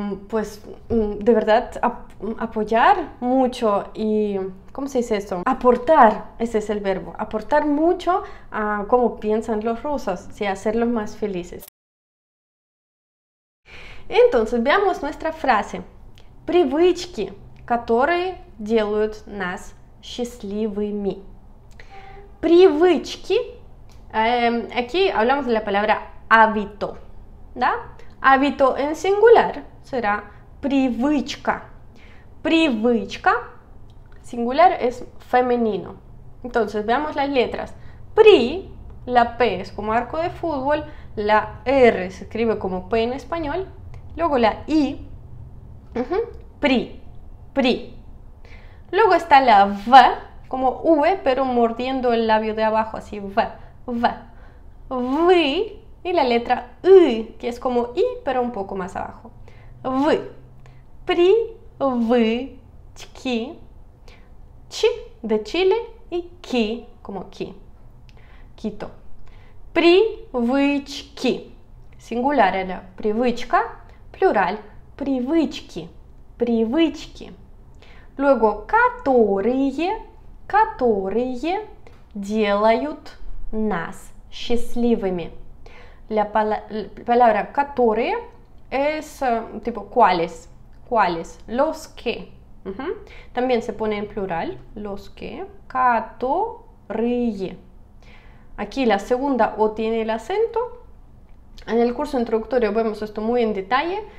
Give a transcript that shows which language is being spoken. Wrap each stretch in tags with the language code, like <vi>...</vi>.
<es>pues de verdad apoyar mucho y, ¿cómo se dice eso? Aportar, ese es el verbo, aportar mucho a cómo piensan los rusos, sí, hacerlos más felices. Entonces, veamos nuestra frase.</es> <ru>Привычки, которые делают нас счастливыми. Привычки,</ru> <es>aquí hablamos de la palabra hábito, ¿da? Hábito en singular será</es> <ru>привычка. Привычка,</ru> <es>singular es femenino. Entonces veamos las letras. Pri, la P es como arco de fútbol, la R se escribe como P en español, luego la I, pri, pri. Luego está la V, como V, pero mordiendo el labio de abajo, así V, V. Vy, y la letra Y, que es como I, pero un poco más abajo.</es> <ru>Вы. Привычки.</ru> <es>Чи, de Chile, y ки, como ки.</es> <ru>Quito. Привычки.</ru> <es>Singular era</es> <ru>привычка,</ru> <es>plural,</es> <ru>привычки. Привычки.</ru> <es>Luego,</es> <ru>которые, которые делают нас счастливыми.</ru> <es>La palabra</es> <ru>которые</ru> <es>es tipo cuáles, cuáles, los que, También se pone en plural los que. Catorrille. Aquí la segunda O tiene el acento. En el curso introductorio vemos esto muy en detalle.</es>